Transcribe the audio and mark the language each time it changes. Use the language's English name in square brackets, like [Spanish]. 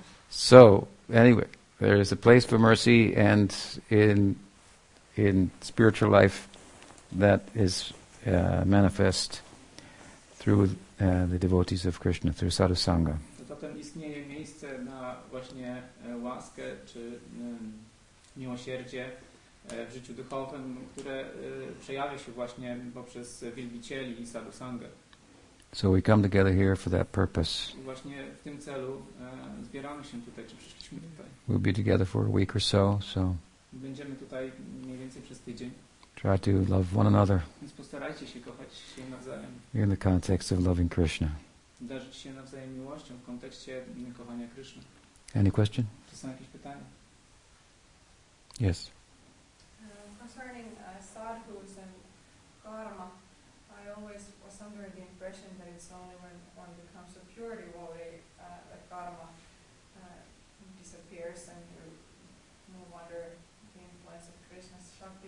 [English] So, anyway, there is a place for mercy, and in spiritual life, that is manifest through the devotees of Krishna, through sadhusanga. [Polish] Zatem istnieje miejsce na właśnie łaskę czy miłosierdzie w życiu duchowym, które przejawia się właśnie poprzez wielbicieli i sadhusangę. [English] So we come together here for that purpose. [Polish] Właśnie w tym celu zbieramy się tutaj, czy przyszliśmy tutaj. [English] We'll be together for a week or so, so. [Polish] Będziemy tutaj mniej więcej przez tydzień. [English] Try to love one another. [Polish] Więc postarajcie się kochać się nawzajem. [English] In the context of loving Krishna. [Polish] Darzyć się nawzajem miłością w kontekście kochania Krishna. [English] Any question? [Polish] Czy są jakieś pytania? [English] Yes. Concerning sadhus and karma, I always was under the impression that it's only when one becomes a pure devotee that karma disappears and you move under the influence of Krishna's Shakti.